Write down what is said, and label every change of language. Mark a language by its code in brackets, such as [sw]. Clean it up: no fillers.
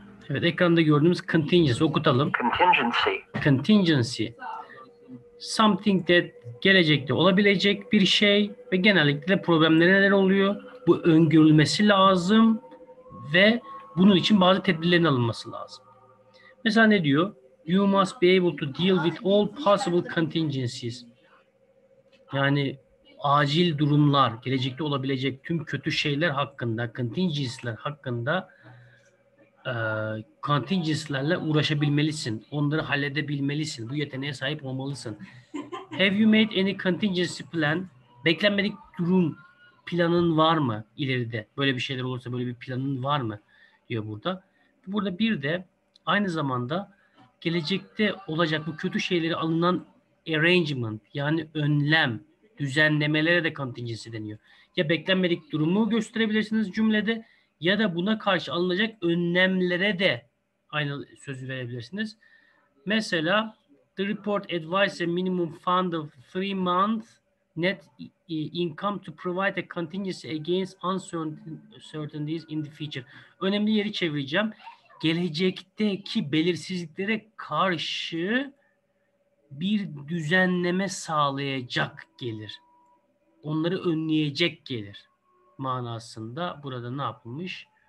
[tr] Evet, ekranda gördüğümüz contingency, okutalım. Contingency. [en] Something that [tr] gelecekte olabilecek bir şey ve genellikle problemler neler oluyor. Bu öngörülmesi lazım ve bunun için bazı tedbirlerin alınması lazım. Mesela ne diyor? [en] You must be able to deal with all possible contingencies. [tr] Yani acil durumlar, gelecekte olabilecek tüm kötü şeyler hakkında, contingencies'ler hakkında contingency'lerle uğraşabilmelisin. Onları halledebilmelisin. Bu yeteneğe sahip olmalısın. [en] Have you made any contingency plan? [tr] Beklenmedik durum planın var mı ileride? Böyle bir şeyler olursa böyle bir planın var mı? Diyor burada. Burada bir de aynı zamanda gelecekte olacak bu kötü şeyleri alınan arrangement yani önlem düzenlemelere de contingency deniyor. Ya beklenmedik durumu gösterebilirsiniz cümlede ya da buna karşı alınacak önlemlere de aynı sözü verebilirsiniz. Mesela [en] the report advised a minimum fund of 3 months net income to provide a contingency against uncertainties in the future. [tr] Önemli yeri çevireceğim. Gelecekteki belirsizliklere karşı bir düzenleme sağlayacak gelir. Onları önleyecek gelir manasında burada ne yapılmış?